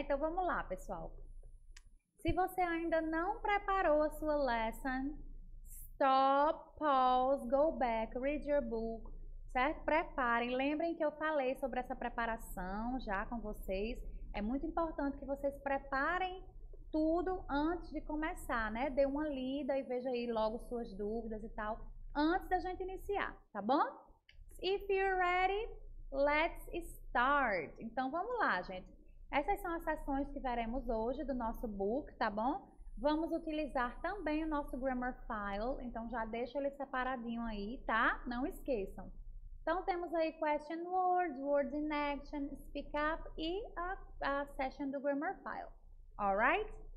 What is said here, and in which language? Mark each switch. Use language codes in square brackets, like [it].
[pt] Então, vamos lá, pessoal. Se você ainda não preparou a sua lesson, [en] stop, pause, go back, read your book. [pt] Certo? Preparem, lembrem que eu falei sobre essa preparação já com vocês. É muito importante que vocês preparem tudo antes de começar, né? Dê uma lida e veja aí logo suas dúvidas e tal, antes da gente iniciar, tá bom? [en] If you're ready, let's start. [pt] Então vamos lá, gente. Essas são as sessões que veremos hoje do nosso book, tá bom? Vamos utilizar também o nosso Grammar File, então já deixa ele separadinho aí, tá? Não esqueçam. Então, temos aí question words, words in action, speak up e a session do Grammar File. Alright?